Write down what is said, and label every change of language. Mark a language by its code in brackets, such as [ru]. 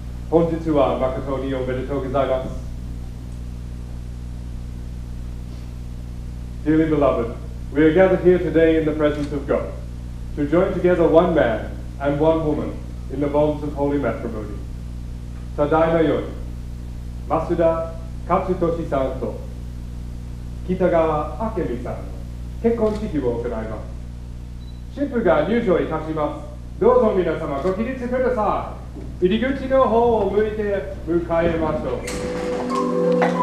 [ja] 本日は誠におめでとうございます。 [en] Dearly beloved, we are gathered here today in the presence of God to join together one man and one woman in the bonds of holy matrimony. [ja] ただいまより、増田勝利さんと北川明美さんの結婚式を行います。新婦が入場いたします。どうぞ皆様ご起立ください。入り口の方を向いて迎えましょう。